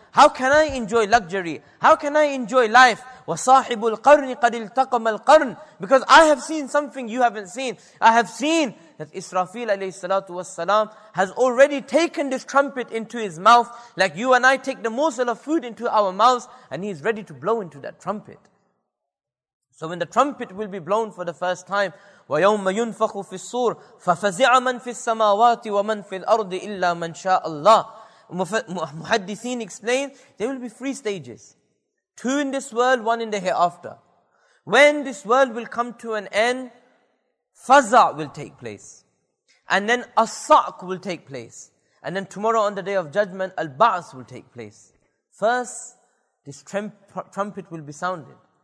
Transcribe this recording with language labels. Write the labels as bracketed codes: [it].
[en] How can I enjoy luxury? How can I enjoy life? [ar] وَصَاحِبُ الْقَرْنِ قَدِ الْتَقَمَ الْقَرْنِ. [en] Because I have seen something you haven't seen. I have seen that Israfil alayhi salatu wassalam has already taken this trumpet into his mouth, like you and I take the morsel of food into our mouths, and he is ready to blow into that trumpet. So when the trumpet will be blown for the first time, [ar] وَيَوْمَ يُنْفَخُ فِي الصُّورِ فَفَزِعَ مَنْ فِي السَّمَاوَاتِ وَمَنْ فِي الْأَرْضِ إِلَّا مَنْ شَاءَ اللَّهِ. [en] Muhaddithin explain, there will be three stages. Two in this world, one in the hereafter. When this world will come to an end, faza will take place. And then asaq will take place. And then tomorrow on the day of judgment, Al-Ba'ath will take place. First, this trumpet will be sounded.